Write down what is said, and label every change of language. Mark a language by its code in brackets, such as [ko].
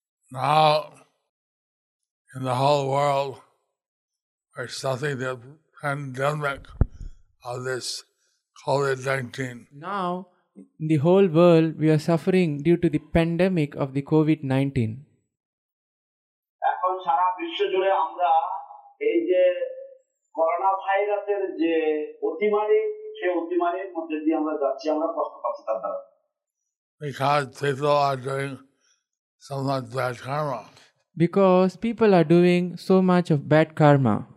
[en] Now, in the whole world, we're suffering the pandemic of this COVID-19. Now, in the whole world, we are suffering due to the pandemic of the COVID-19. [bn] এখন সারা বিশ্ব জুড়ে আমরা এই যে corona ভাইরাসের যে অতিমারী, সেই অতিমারীর মধ্যে দিয়ে আমরা যাচ্ছি, আমরা কষ্ট পাচ্ছি তার দ্বারা. [en] Because people are doing so much bad karma. Because people are doing so much of bad karma.